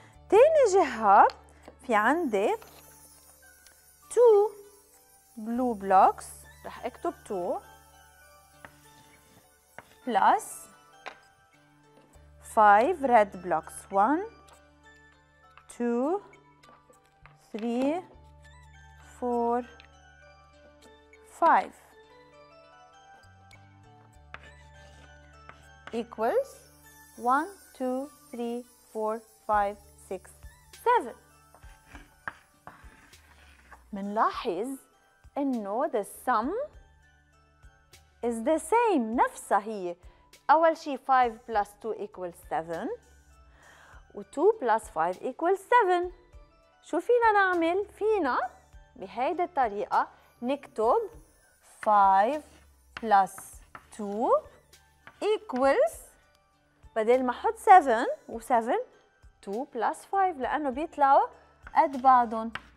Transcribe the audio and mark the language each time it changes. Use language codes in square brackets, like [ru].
[ar] تاني جهة في عندي [en] 2 blue blocks، رح اكتب 2 plus 5 red blocks، 1 2 3 4 5 equals 1 2 3 4 5 6 7. [ar] منلاحظ إنه [en] the sum is the same، [ar] نفسها هي. أول شيء [en] 5 plus 2 equals 7 و 2 plus 5 equals 7. [ar] شو فينا نعمل؟ فينا بهيدي الطريقة نكتب [en] 5 plus 2 equals، [ar] بدل ما حط 7 و 7 2 plus 5، لأنه بيطلعوا قد بعضهم.